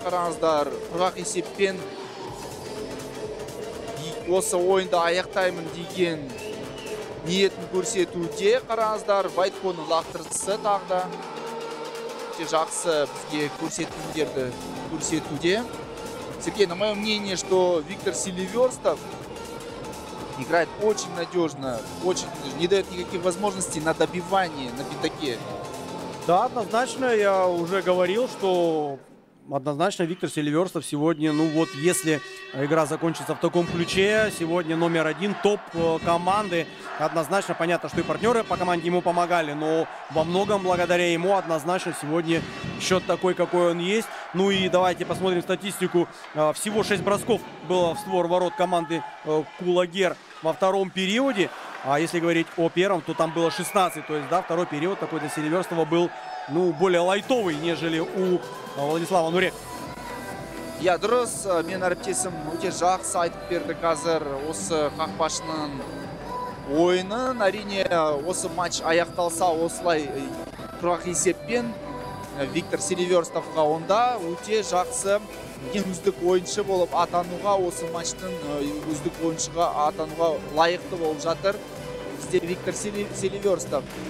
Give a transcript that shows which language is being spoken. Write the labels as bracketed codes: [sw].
[kk] Қараңыздар, құрғақ есеппен осы ойында аяқтаймын деген ниетін көрсетуде. Қараңыздар, Вайтконың лақтырысы тағы да жақсы бізге көрсетіндерді көрсетуде. [ru] Сергей, на моё мнение, что Виктор Селиверстов играет очень надежно, очень не дает никаких возможностей на добивание на пятаке. Да, однозначно, я уже говорил, что однозначно Виктор Селиверстов сегодня, ну вот, если игра закончится в таком ключе, сегодня номер один топ команды. Однозначно, понятно, что и партнеры по команде ему помогали, но во многом благодаря ему однозначно сегодня счет такой, какой он есть. Ну и давайте посмотрим статистику. Всего 6 бросков было в створ ворот команды Кулагер во втором периоде. А если говорить о первом, то там было 16. То есть, да, второй период такой для Селиверстова был, ну, более лайтовый, нежели у Владислава Нурек. [kk] Я дұрыс, мен әріптесім өте жақсы айтып берді қазір осы қақпашының ойынын. Әрине, осы матч аяқталса осылай құрақ есеппен Виктор Селиверстовқа, онда өте жақсы үздік ойыншы болып атануға, осы матчтың үздік ойыншыға атануға лайықты болып жатыр бізде Виктор Селиверстов.